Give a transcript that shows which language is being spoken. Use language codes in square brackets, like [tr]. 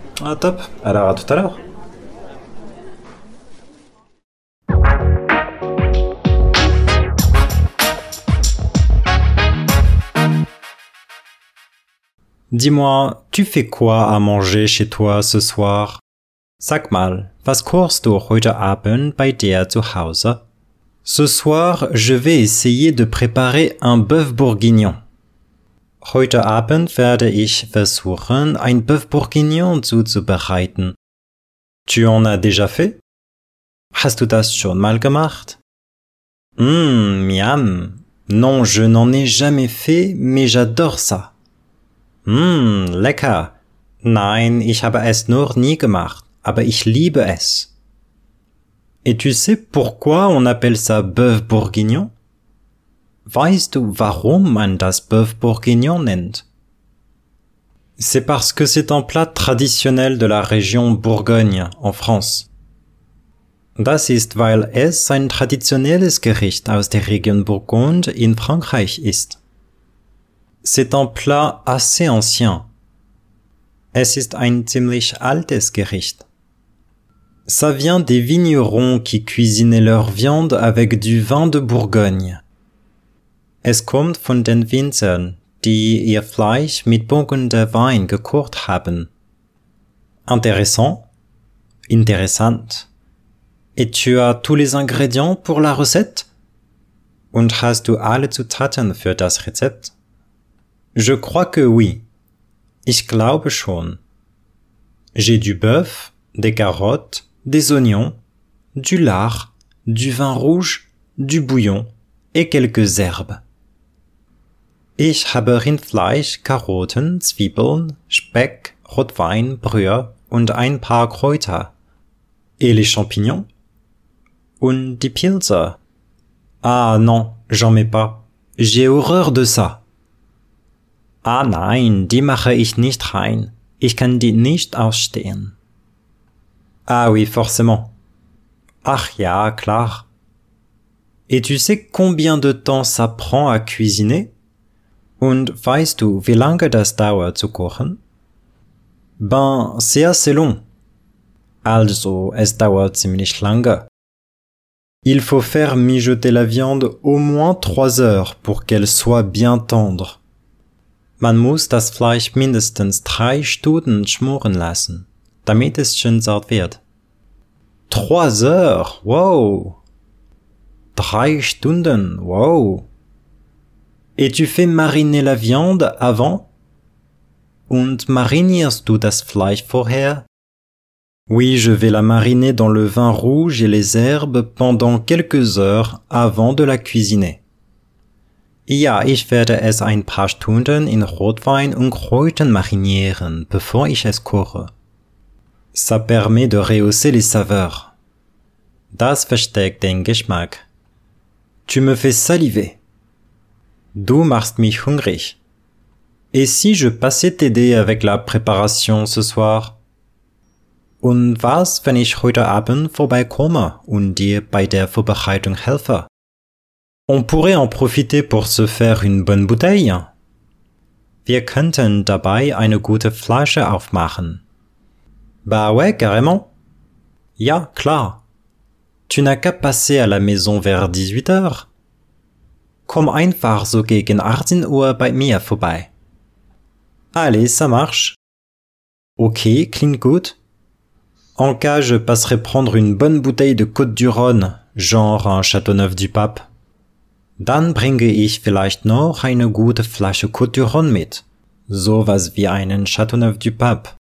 [fr] Ah top, alors à tout à l'heure. Dis-moi, tu fais quoi à manger chez toi ce soir? [de] Sag mal, was kochst du heute Abend bei dir zu Hause? [fr] Ce soir, je vais essayer de préparer un bœuf bourguignon. [de] Heute Abend werde ich versuchen, ein bœuf bourguignon zuzubereiten. [fr] Tu en as déjà fait? [de] Hast du das schon mal gemacht? [fr] Miam. Non, je n'en ai jamais fait, mais j'adore ça. [de] Lecker. Nein, ich habe es noch nie gemacht, aber ich liebe es. [fr] Et tu sais pourquoi on appelle ça bœuf bourguignon? [de] Weißt du, warum man das bœuf bourguignon nennt? [fr] C'est parce que c'est un plat traditionnel de la région Bourgogne, en France. [de] Das ist, weil es ein traditionelles Gericht aus der Region Bourgogne in Frankreich ist. [fr] C'est un plat assez ancien. [de] Es ist ein ziemlich altes Gericht. [fr] Ça vient des vignerons qui cuisinaient leur viande avec du vin de Bourgogne. [de] Es kommt von den Winzern, die ihr Fleisch mit Burgunder Wein gekocht haben. [fr] Intéressant. [de] Interessant. [fr] Et tu as tous les ingrédients pour la recette? [de] Und hast du alle Zutaten für das Rezept? [fr] Je crois que oui. [de] Ich glaube schon. [fr] J'ai du bœuf, des carottes, des oignons, du lard, du vin rouge, du bouillon et quelques herbes. [de] Ich habe Rindfleisch, Karotten, Zwiebeln, Speck, Rotwein, Brühe und ein paar Kräuter. [fr] Et les champignons? [de] Und die Pilze? [fr] Ah non, j'en mets pas. J'ai horreur de ça. [de] Ah nein, die mache ich nicht rein. Ich kann die nicht ausstehen. [fr] Ah oui, forcément. [de] Ach ja, klar. [fr] Et tu sais combien de temps ça prend à cuisiner? [de] Und weißt du, wie lange das dauert zu kochen? [fr] Ben, c'est assez long. [de] Also, es dauert ziemlich lange. [fr] Il faut faire mijoter la viande au moins 3 heures pour qu'elle soit bien tendre. [de] Man muss das Fleisch mindestens 3 Stunden schmoren lassen, damit es schön zart wird. [fr] 3 heures, wow! [de] 3 Stunden, wow! [fr] Et tu fais mariner la viande avant? [de] Und marinierst du das Fleisch vorher? [fr] Oui, je vais la mariner dans le vin rouge et les herbes pendant quelques heures avant de la cuisiner. [de] Ja, ich werde es ein paar Stunden in Rotwein und Kräutern marinieren, bevor ich es koche. [fr] Ça permet de rehausser les saveurs. [de] Das versteckt den Geschmack. [fr] Tu me fais saliver. [de] Du machst mich hungrig. [fr] Et si je passais t'aider avec la préparation ce soir? [de] Und was, wenn ich heute Abend vorbeikomme und dir bei der Vorbereitung helfe? [fr] On pourrait en profiter pour se faire une bonne bouteille. [de] Wir könnten dabei eine gute Flasche aufmachen. [fr] Bah ouais, carrément. [de] Ja, klar. [fr] Tu n'as qu'à passer à la maison vers 18h. [de] Komm einfach so gegen 18 Uhr bei mir vorbei. [fr] Allez, ça marche. [de] Okay, klingt gut. [fr] En cas, je passerai prendre une bonne bouteille de Côte-du-Rhône, genre un Châteauneuf du Pape. [de] Dann bringe ich vielleicht noch eine gute Flasche Côte-du-Rhône mit. Sowas wie einen Châteauneuf du Pape.